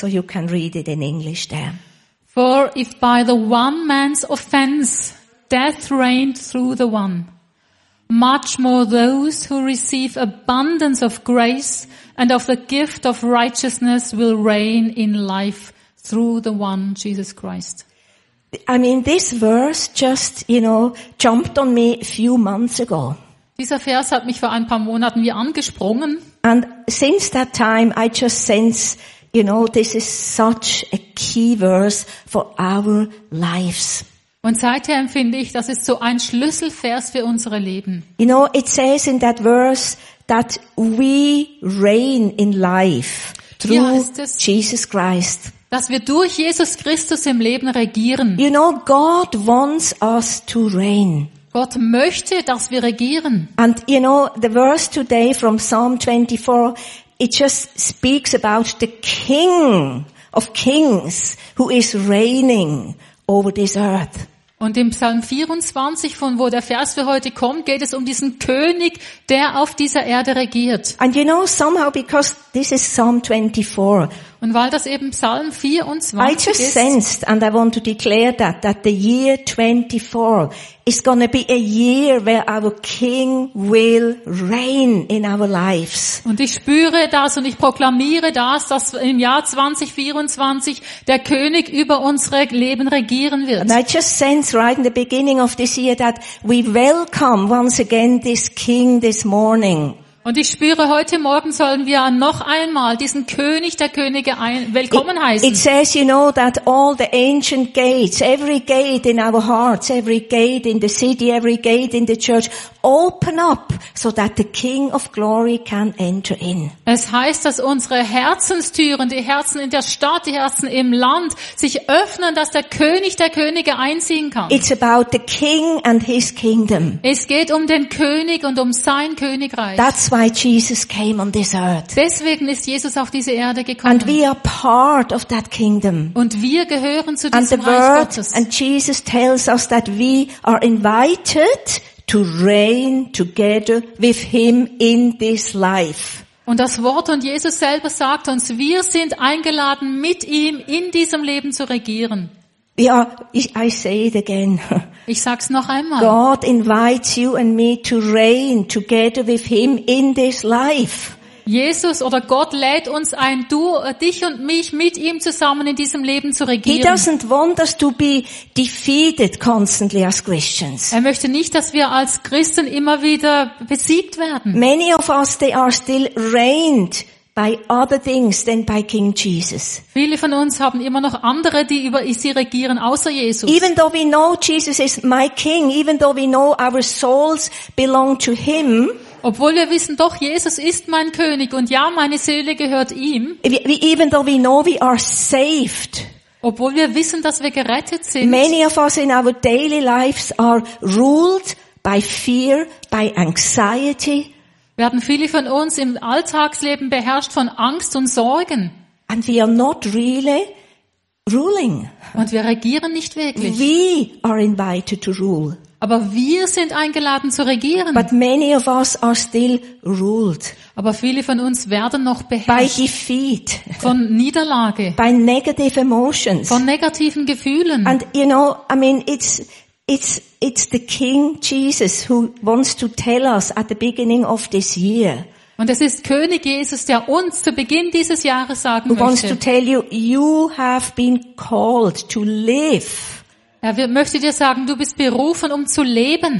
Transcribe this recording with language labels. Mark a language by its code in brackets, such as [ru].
[en] So you can read it in English there. For if by the one man's offense death reigned through the one, much more those who receive abundance of grace and of the gift of righteousness will reign in life through the one, Jesus Christ. I mean, this verse just, you know, jumped on me a few months ago. [de] Dieser Vers hat mich vor ein paar Monaten wie angesprungen. [en] And since that time, I just sense, you know, this is such a key verse for our lives. [de] Und seither empfinde ich, das ist so ein Schlüsselvers für unsere Leben. [en] You know, it says in that verse that we reign in life through Jesus Christ. [de] Dass wir durch Jesus Christus im Leben regieren. [en] You know, God wants us to reign. [de] Gott möchte, dass wir regieren. [en] And you know, the verse today from Psalm 24, it just speaks about the King of Kings who is reigning over this earth. [de] Und im Psalm 24, von wo der Vers für heute kommt, geht es um diesen König, der auf dieser Erde regiert. [en] And you know, somehow because this is Psalm 24. [de] Und weil das eben Psalm 24 ist. [en] I just sensed, and I want to declare that the year 24 is gonna be a year where our King will reign in our lives. [de] Und ich spüre das und ich proklamiere das, dass im Jahr 2024 der König über unsere Leben regieren wird. [en] And I just sense right in the beginning of this year that we welcome once again this King this morning. [de] Und ich spüre, heute Morgen sollen wir noch einmal diesen König der Könige willkommen heißen. [en] It says, you know, that all the ancient gates, every gate in our hearts, every gate in the city, every gate in the church, open up so that the King of Glory can enter in. [de] Es heißt, dass unsere Herzenstüren, die Herzen in der Stadt, die Herzen im Land, sich öffnen, dass der König der Könige einziehen kann. [en] It's about the King and His kingdom. [de] Es geht um den König und um sein Königreich. [en] That's why Jesus came on this earth. [de] Deswegen ist Jesus auf diese Erde gekommen. [en] And we are part of that kingdom. [de] Und wir gehören zu diesem [en] and the [de] Reich [en] word, [de] Gottes. [en] And Jesus tells us that we are invited to reign together with him in this life. [de] Und das Wort und Jesus selber sagt uns, wir sind eingeladen, mit ihm in diesem Leben zu regieren. [en] Ja, I say it again. [de] Ich sag's noch einmal. [en] God invites you and me to reign together with him in this life. [de] Jesus oder Gott lädt uns ein, du, dich und mich mit ihm zusammen in diesem Leben zu regieren. [en] He doesn't want us to be defeated constantly as Christians. [de] Er möchte nicht, dass wir als Christen immer wieder besiegt werden. [en] Many of us, they are still reigned by other things than by King Jesus. [de] Viele von uns haben immer noch andere, die über sie regieren, außer Jesus. [en] Even though we know Jesus is my King, even though we know our souls belong to him, [de] obwohl wir wissen, doch Jesus ist mein König und ja, meine Seele gehört ihm. [en] Even though we know we are saved. [de] Obwohl wir wissen, dass wir gerettet sind. [en] Many of us in our daily lives are ruled by fear, by anxiety. [de] Werden viele von uns im Alltagsleben beherrscht von Angst und Sorgen. [en] And we are not really ruling. [de] Und wir regieren nicht wirklich. [en] We are invited to rule. [de] Aber wir sind eingeladen zu regieren. [en] But many of us are still ruled. [de] Aber viele von uns werden noch beherrscht. [en] By defeat. [de] Von Niederlage. [en] By negative emotions. [de] Von negativen Gefühlen. [en] And you know, I mean, it's the King Jesus who wants to tell us at the beginning of this year. [de] Und es ist König Jesus, der uns zu Beginn dieses Jahres sagen möchte. [en] Who wants to tell you, you have been called to live. [de] Er möchte dir sagen, du bist berufen, um zu leben.